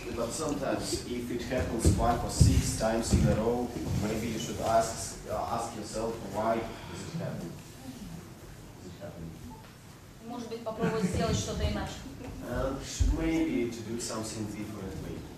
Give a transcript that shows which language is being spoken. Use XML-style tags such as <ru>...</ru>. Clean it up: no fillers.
<en>Sometimes, if it happens 5 or 6 times in a row, maybe you should ask yourself why does it happen?</en> <ru>Может быть, попробовать сделать что-то иначе.</ru> <en>And maybe to do something differently.</en>